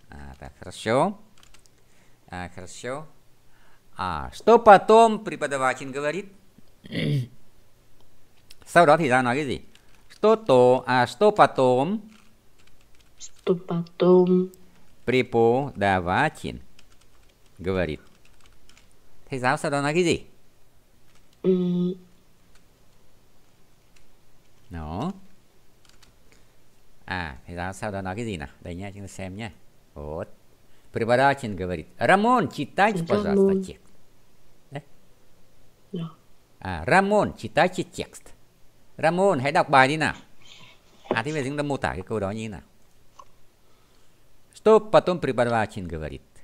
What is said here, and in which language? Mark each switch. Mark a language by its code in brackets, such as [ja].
[ru] А, так, хорошо. А, хорошо. А, что потом преподаватель говорит? [vi] Sau đó thì ra nói cái gì? [ru] Что то, а что потом? Что потом? Преподаватель говорит. [vi] Thầy giáo sau đó nói cái gì? Nó. À, thầy giáo sau đó nói cái gì nào? Đây nha, chúng ta xem nha. Вот. [ru] Преподаватель говорит. Рамон, читайте, пожалуйста, текст. Да? А, Рамон, читайте текст. [vi] Рамон, hãy đọc bài đi nào. À, thế bây giờ chúng ta mô tả cái câu đó như thế nào? [ru] Что потом преподаватель говорит?